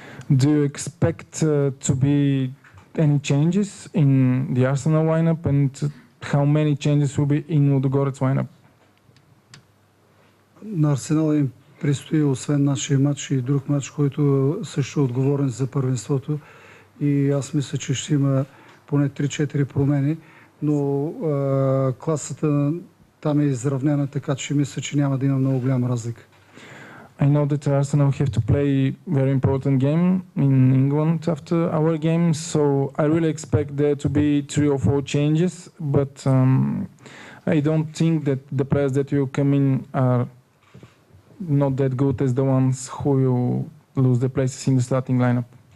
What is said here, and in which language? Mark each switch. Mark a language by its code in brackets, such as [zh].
[en] Do you expect to be any changes in the Arsenal lineup and how many changes will be in Ludogorets lineup? [bg] На Арсенал им предстои освен нашия матч и друг матч, който също е отговорен за първенството. И аз мисля, че ще има поне 3-4 промени, но класата там е изравнена, така че мисля, че няма да има много голяма разлика. [en] I know that Arsenal have to play very important game in England after our game, so I really expect there to be 3 or 4 changes, but I don't think that the players that will come in are not that good as the ones who will lose the places in the starting lineup.